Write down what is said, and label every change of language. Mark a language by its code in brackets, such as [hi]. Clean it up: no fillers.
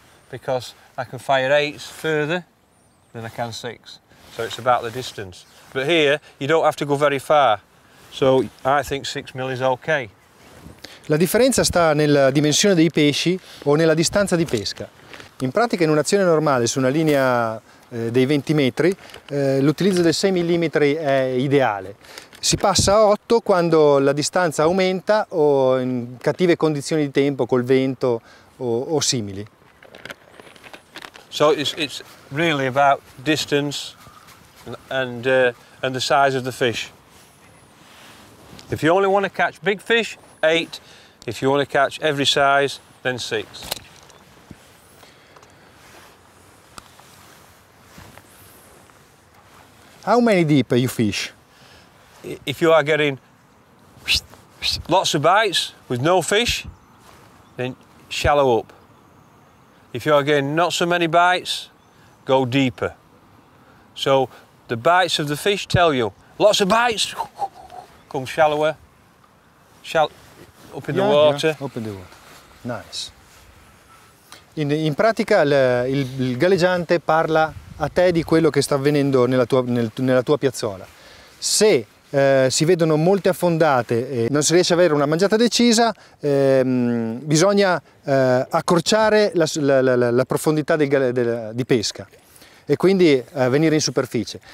[en] Because I can fire 8s further than I can 6. So it's about the distance. But here, you don't have to go very far. So I think 6 mil is okay. [it] La differenza sta nella dimensione dei pesci o nella distanza di pesca. In pratica, in un'azione normale su una linea dei 20 metri, l'utilizzo del 6 mm è ideale. Si passa a 8 quando la distanza aumenta o in cattive condizioni di tempo col vento o simili. [en] So it's really about distance and the size of the fish. If you only want to catch big fish, 8. If you want to catch every size, then 6. How many deep are you fish? If you are getting lots of bites with no fish, then shallow up. If you are getting not so many bites, go deeper. So the bites of the fish tell you, lots of bites, come shallower, up in the water. Up in the water, nice. [it] In pratica il galleggiante parla a te di quello che sta avvenendo nella tua piazzola. Se si vedono molte affondate e non si riesce ad avere una mangiata decisa, bisogna accorciare la profondità di pesca e quindi venire in superficie.